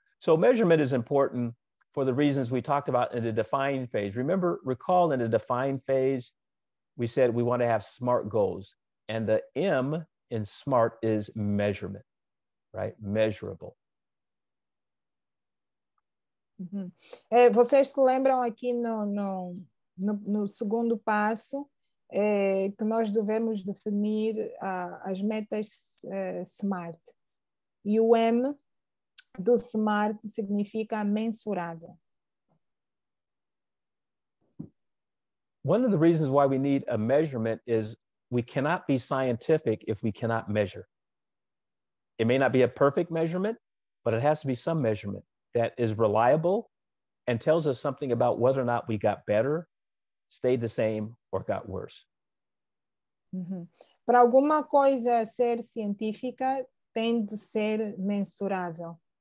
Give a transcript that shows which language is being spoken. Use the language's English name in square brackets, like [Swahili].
[English] So measurement is important for the reasons we talked about in the define phase. Remember, recall in the define phase, we said we want to have SMART goals. And the M in SMART is measurement, right? Measurable. Mm-hmm. [Portuguese] Vocês se lembram aqui no segundo passo que nós devemos definir as metas SMART. E o M do SMART significa mensurável. [English] One of the reasons why we need a measurement is we cannot be scientific if we cannot measure. It may not be a perfect measurement, but it has to be some measurement that is reliable and tells us something about whether or not we got better, stayed the same, or got worse. [Portuguese] Uhum. Para alguma coisa ser científica, tem de ser mensurável.